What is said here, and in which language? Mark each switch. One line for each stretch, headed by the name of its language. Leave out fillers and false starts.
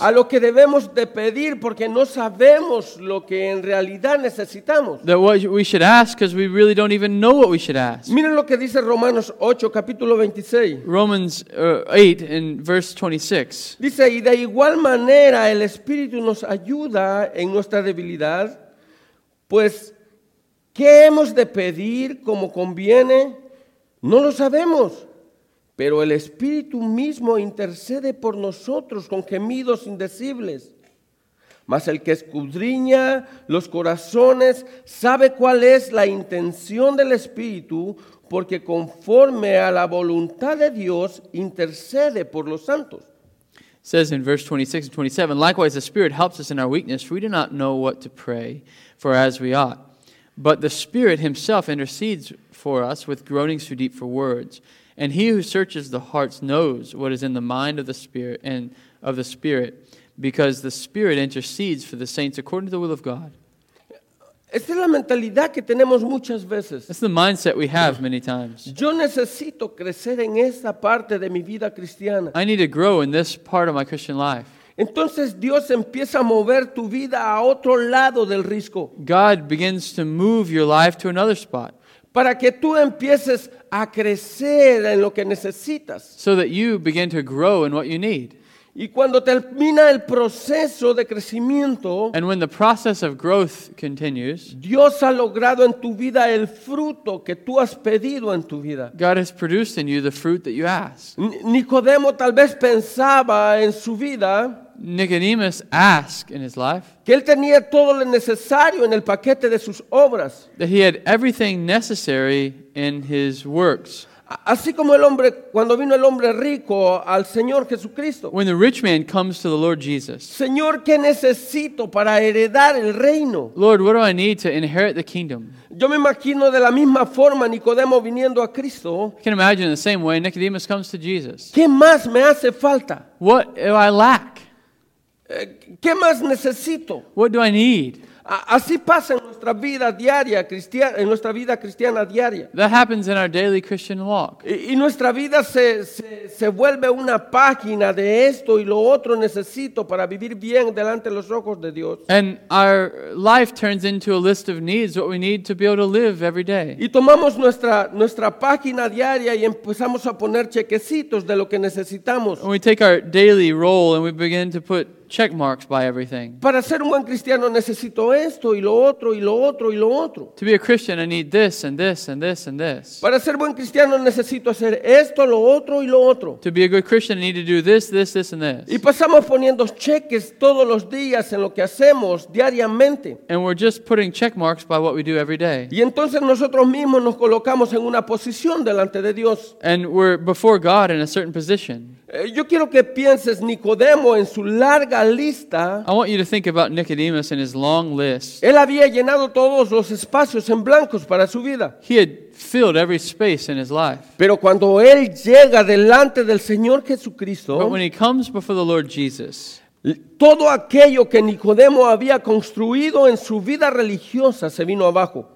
Spanish: A lo que debemos de pedir porque no sabemos lo que en realidad necesitamos.
English: That what we should ask because we really don't even know what we should ask.
Spanish: Miren lo que dice Romanos 8, capítulo 26.
English: Romans 8, in verse 26.
Spanish: Dice, y de igual manera el Espíritu nos ayuda en nuestra debilidad, pues, ¿qué hemos de pedir como conviene? No lo sabemos. Pero el Espíritu mismo intercede por nosotros con gemidos indecibles. Mas el que escudriña los corazones sabe cuál es la intención del Espíritu, porque conforme a la voluntad de Dios intercede por los santos.
English: It says in verse 26 and 27, likewise the Spirit helps us in our weakness, for we do not know what to pray for as we ought. But the Spirit himself intercedes for us with groanings too deep for words. And he who searches the hearts knows what is in the mind of the Spirit and of the Spirit, because the Spirit intercedes for the saints according to the will of God.
Spanish: Esta es la mentalidad que tenemos muchas veces.
English: That's the mindset we have many times.
Spanish: Yo necesito crecer en esta parte de mi vida cristiana.
English: I need to grow in this part of my Christian life.
Spanish: Entonces Dios empieza a mover tu vida a otro lado del risco.
English: God begins to move your life to another spot.
Spanish: Para que tú empieces a crecer en lo que necesitas.
English: So that you begin to grow in what you need.
Spanish: Y cuando termina el proceso de crecimiento,
English: and when the process of growth continues,
Spanish: Dios ha logrado en tu vida el fruto que tú has pedido en tu vida.
English: God has produced in you the fruit that you asked.
Spanish: Nicodemo tal vez pensaba en su vida,
English: Nicodemus asked in his life,
Spanish: que él tenía todo lo necesario en el paquete de sus obras,
English: that he had everything necessary in his works.
Spanish: Así como el hombre, cuando vino el hombre rico al Señor Jesucristo.
English: When the rich man comes to the Lord Jesus.
Spanish: Señor, ¿qué necesito para heredar el reino?
English: Lord, what do I need to inherit the kingdom?
Spanish: Yo me imagino de la misma forma Nicodemo viniendo a Cristo.
English: I can imagine the same way Nicodemus comes to Jesus.
Spanish: ¿Qué más me hace falta?
English: What do I lack?
Spanish: ¿Qué más necesito?
English: What do I need?
Spanish: Así pasa en nuestra vida diaria cristiana, en nuestra vida cristiana diaria.
English: That happens in our daily Christian walk.
Spanish: Y nuestra vida se vuelve una página de esto y lo otro necesito para vivir bien delante de los ojos de Dios.
English: And our life turns into a list of needs, what we need to be able to live every day.
Spanish: Y tomamos nuestra página diaria y empezamos a poner chequecitos de lo que necesitamos.
English: And we take our daily roll and we begin to put check marks by everything.
Spanish: Para ser un buen cristiano necesito esto y lo otro y lo otro y lo otro.
English: To be a Christian I need this and this and this and this.
Spanish: Para ser buen cristiano necesito hacer esto, lo otro y lo otro.
English: To be a good Christian I need to do this, this, this and this.
Spanish: Y pasamos poniendo cheques todos los días en lo que hacemos diariamente.
English: And we're just putting check marks by what we do every day.
Spanish: Y entonces nosotros mismos nos colocamos en una posición delante de Dios.
English: And we're before God in a certain position.
Spanish: Yo quiero que pienses Nicodemo en su larga lista.
English: I want you to think about Nicodemus and his long list.
Spanish: Él había llenado todos los espacios en blancos para su vida.
English: He had filled every space in his life.
Spanish: Pero cuando él llega delante del Señor Jesucristo,
English: but when he comes before the Lord Jesus,
Spanish: Todo aquello que Nicodemo había construido en su vida religiosa se vino abajo.